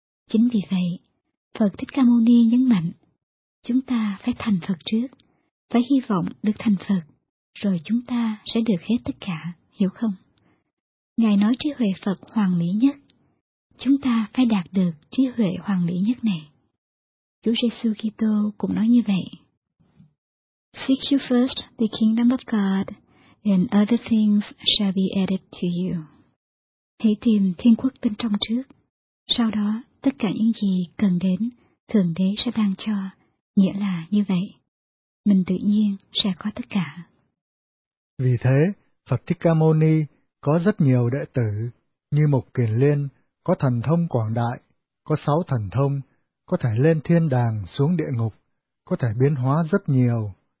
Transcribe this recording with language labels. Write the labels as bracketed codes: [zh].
[vi] Chính vì vậy, Phật Thích Ca Mâu Ni nhấn mạnh, chúng ta phải thành Phật trước, phải hy vọng được thành Phật, rồi chúng ta sẽ được hết tất cả, hiểu không? Ngài nói trí huệ Phật hoàn mỹ nhất, chúng ta phải đạt được trí huệ hoàn mỹ nhất này. Chúa Giê-xu Ki-tô cũng nói như vậy. [en] Seek you first the kingdom of God, and other things shall be added to you. [vi] Hãy tìm thiên quốc bên trong trước, sau đó tất cả những gì cần đến, Thượng Đế sẽ ban cho, nghĩa là như vậy. Mình tự nhiên sẽ có tất cả. Vì thế, Phật Thích Ca Mâu Ni có rất nhiều đệ tử, như Mục Kiền Liên, có thần thông quảng đại, có 6 thần thông, có thể lên thiên đàng xuống địa ngục, có thể biến hóa rất nhiều.